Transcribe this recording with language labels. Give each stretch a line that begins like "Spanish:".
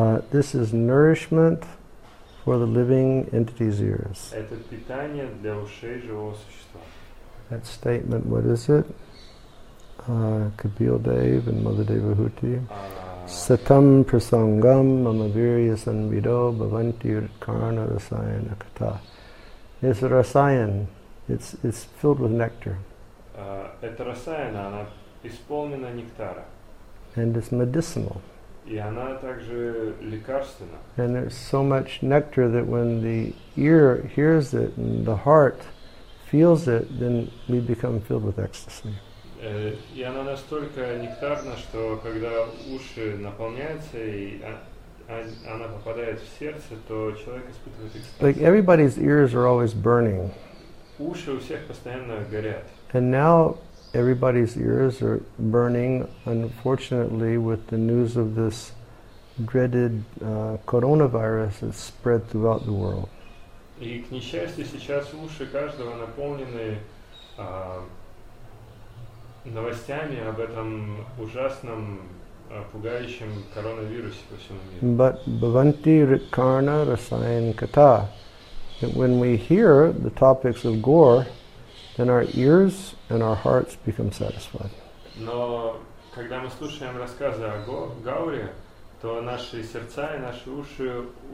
English: This is nourishment for the living entity's ears.
Russian: Это питание для ушей живого существа.
English: That statement, what is it?
Sanskrit: Kapil Dev and Mother Devahuti. Satam prasangam mamavirya sanvido bhavanti karna rasayana kata.
English: It's a rasayan. It's filled with nectar.
Russian: Это rasayana, она исполнена нектара.
English: And it's medicinal.
Russian: И она также лекарственна.
English: And there's so much nectar that when the ear hears it and the heart feels it, then we become filled with ecstasy.
Russian: И она настолько нектарна, что когда уши наполняются и она попадает в сердце, то человек испытывает экстаз.
English: Like everybody's ears are always burning.
Russian: Уши у всех постоянно горят.
English: And now everybody's ears are burning, unfortunately, with the news of this dreaded coronavirus that's spread throughout the world.
Russian: И к несчастью сейчас уши каждого наполнены новостями об этом ужасном, пугающем коронавирусе по всему миру.
Sanskrit: But bhavanti ritkarna rasayan kata.
English: When we hear the topics of gore, then our ears and our hearts become satisfied.
Russian: Но когда мы слушаем рассказы о гауре, то наши сердца и наши уши